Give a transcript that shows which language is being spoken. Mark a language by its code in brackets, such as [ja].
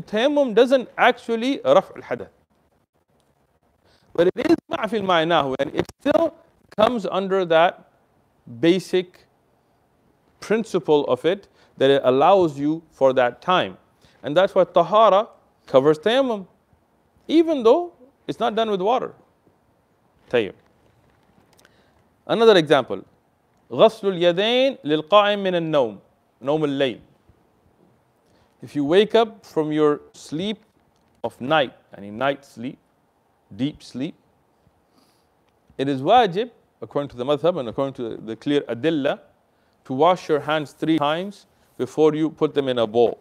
[en] Tayammum doesn't actually raf' al-hadath. But it is ma'fi al-ma'nahu, and it still comes under that basic principle of it, that it allows you for that time. And that's why tahara covers tayammum, even though it's not done with water. Tayyib. Another example. [ar] غسل اليدين للقائم من النوم. نوم الليل. [en] If you wake up from your sleep of night, any night sleep, deep sleep, it is wajib, according to the madhab and according to the clear adilla, to wash your hands three times before you put them in a bowl.